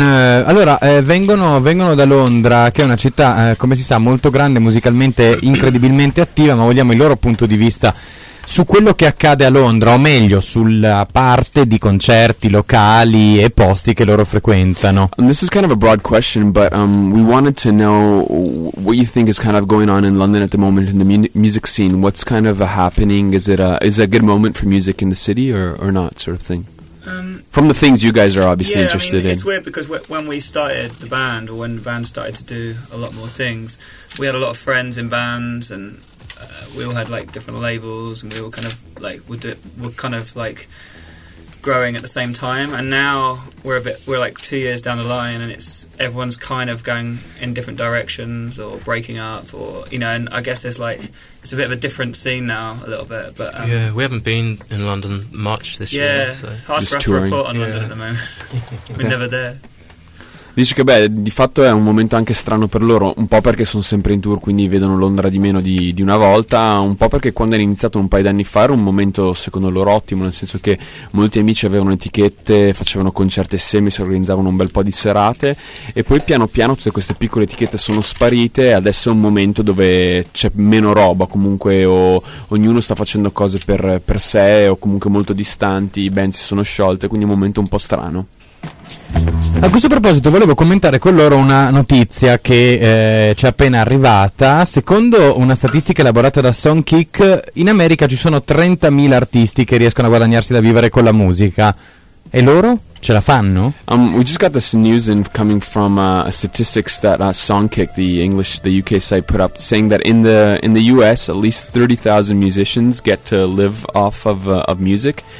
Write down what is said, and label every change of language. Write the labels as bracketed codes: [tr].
[it] Allora, vengono da Londra, che è una città, come si sa, molto grande, musicalmente incredibilmente attiva, ma vogliamo il loro punto di vista su quello che accade a Londra, o meglio, sulla parte di concerti locali e posti che loro frequentano. [en] This is kind of a broad question, but we wanted to know what you think is kind of going on in London at the moment in the music scene. What's kind of happening? Is it a good moment for music in the city or not, sort of thing? From the things you guys are obviously interested in. It's weird because when we started the band, or when the band started to do a lot more things, we had a lot of friends in bands and we all had like different labels, and we all kind of like were growing at the same time. And now we're like 2 years down the line, and it's everyone's kind of going in different directions or breaking up, or you know. And I guess it's a bit of a different scene now, a little bit. But We haven't been in London much this year. Yeah, so. It's hard just for us to report on London at the moment. Okay. We're never there. [it] Dice che di fatto è un momento anche strano per loro, un po' perché sono sempre in tour, quindi vedono Londra di meno di una volta, un po' perché quando hanno iniziato un paio d'anni fa era un momento secondo loro ottimo, nel senso che molti amici avevano etichette, facevano concerti assieme, si organizzavano un bel po' di serate, e poi piano piano tutte queste piccole etichette sono sparite, e adesso è un momento dove c'è meno roba comunque, o ognuno sta facendo cose per sé, o comunque molto distanti, i band si sono sciolte, quindi è un momento un po' strano. A questo proposito volevo commentare con loro una notizia che ci è appena arrivata. Secondo una statistica elaborata da Songkick, in America ci sono 30.000 artisti che riescono a guadagnarsi da vivere con la musica. E loro? Ce la fanno? [en] We just got this news coming from statistics that Songkick, the UK site, put up, saying that in the US at least 30,000 musicians get to live off of music.